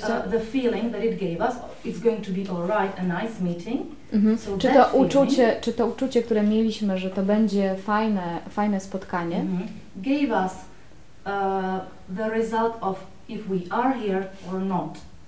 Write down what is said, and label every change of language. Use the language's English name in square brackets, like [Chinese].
[English] The feeling that it gave us, it's going to be all right, a nice meeting. Mm-hmm. [Polish] So czy to uczucie, feeling, czy to uczucie, które mieliśmy, że to będzie fajne spotkanie, mm-hmm. [English] gave us the result of if we are here or not.